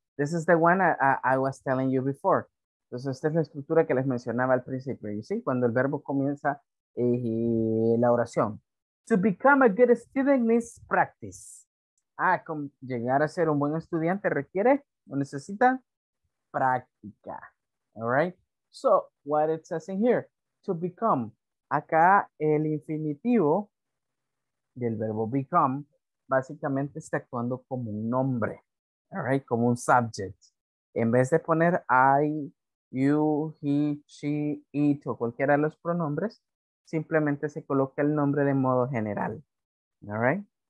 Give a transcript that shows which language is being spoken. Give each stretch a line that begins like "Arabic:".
English: This is the one I was telling you before.
Spanish: Entonces, esta es la estructura que les mencionaba al principio. You see, cuando el verbo comienza y la oración.
English: To become a good student means practice.
Spanish: Ah, llegar a ser un buen estudiante requiere o necesita práctica.
English: All right. So, what it says in here, to become.
Spanish: Acá el infinitivo del verbo become básicamente está actuando como un nombre. All right, como un subject. En vez de poner I, you, he, she, it o cualquiera de los pronombres, simplemente se coloca el nombre de modo general. All right.